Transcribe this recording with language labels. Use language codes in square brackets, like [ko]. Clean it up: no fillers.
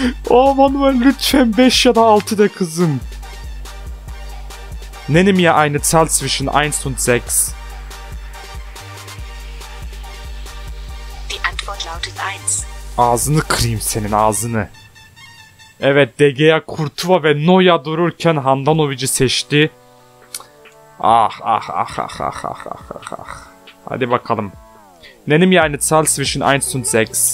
[tr] Aman ver lütfen 5 ya da 6 de kızım. [de] Nenne mir eine Zahl zwischen 1 und 6. Die Antwort lautet 1. [tr] Ağzını kırayım senin ağzını. Evet, DGA Kurtuva ve Noya dururken Handanovic'i seçti. Ah. Hadi bakalım. [de] Nenne mir eine Zahl zwischen 1 und 6.